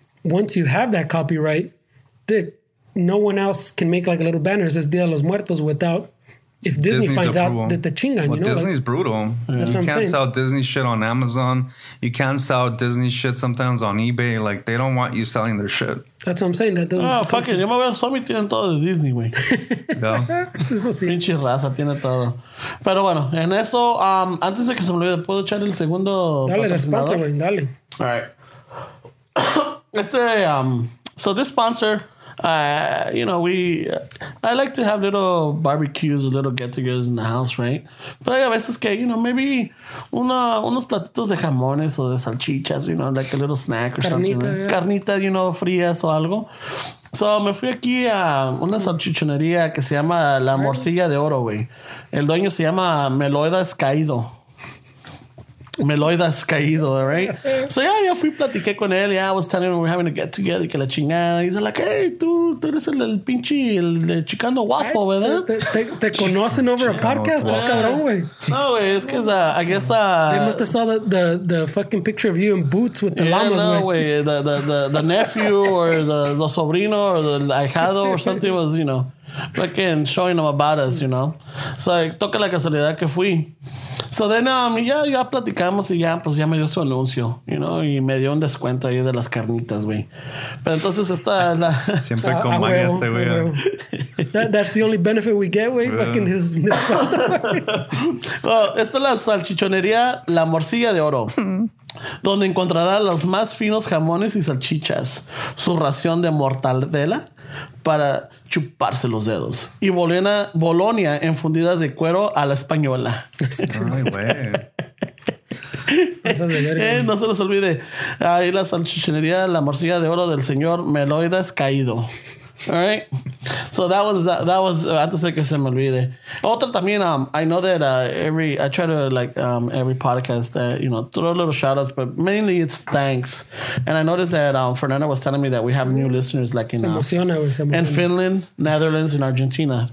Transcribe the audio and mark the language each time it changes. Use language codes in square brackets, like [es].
[en] Once you have that copyright, no one else can make like a little banner that says Dia de los Muertos without... If Disney Disney's finds out that the chingan, well, you know? Disney's like, brutal. Yeah. That's what I'm saying. You can't sell Disney shit on Amazon. You can't sell Disney shit sometimes on eBay. Like, they don't want you selling their shit. That's what I'm saying. That oh, fuck it. [es] Yo me voy a sumir tienen todo de Disney, güey. Eso sí. Pinche raza tiene todo. Pero bueno, en eso, antes de que se me olvide, ¿puedo echar el segundo Dale, el sponsor, güey. Dale. [en] All right. [es] Este, [en] so this sponsor... you know, I like to have little barbecues or little get-togethers in the house, right? But I have [es] a veces que, [en] you know, maybe [es] unos platitos de jamones o de salchichas, [en] you know, like a little snack or [es] carnita, [en] something. Yeah. [es] Carnita, [en] you know, [es] frías o algo. So, me fui aquí a una salchichonería que se llama La Morcilla de Oro, güey. El dueño se llama Meloidas Caído. Meloidas Caído, right? [en] So yeah, [es] yo fui platiqué con él. [en] Yeah, I was telling him we're having a get together [es] y que la chingada. [en] He's like, hey, [es] tú eres el pinche el Chicano Waffle, ¿verdad? Te conocen [en] over Chicano a podcast, that's [es] cabrón, güey. No, güey, es que [en] I guess they must have saw the fucking picture of you in boots with the llamas, [es] güey. [en] The nephew or the sobrino or the ahijado or something was, you know, fucking showing them about us, you know. [es] So toca la casualidad que fui. So then, ya platicamos y ya, pues ya me dio su anuncio, [en] you know, [es] y me dio un descuento ahí de las carnitas, güey. Pero entonces esta es la... Siempre con magia este, güey. [en] That's the only benefit we get, güey, fucking his descuento. [es] Well, esta es la salchichonería La Morcilla de Oro, donde encontrará los más finos jamones y salchichas, su ración de mortadela para chuparse los dedos y bolonia enfundidas de cuero a la española. Ay, güey. No se los olvide. Ahí la salchichonería, la morcilla de oro del señor Meloidas Caído. [en] All right. So that was [es] antes de que se me olvide. Otra también, [en] I know that every podcast that, you know, throw little shout outs, but mainly it's thanks. And I noticed that Fernanda was telling me that we have new listeners like in Finland, Netherlands, and Argentina.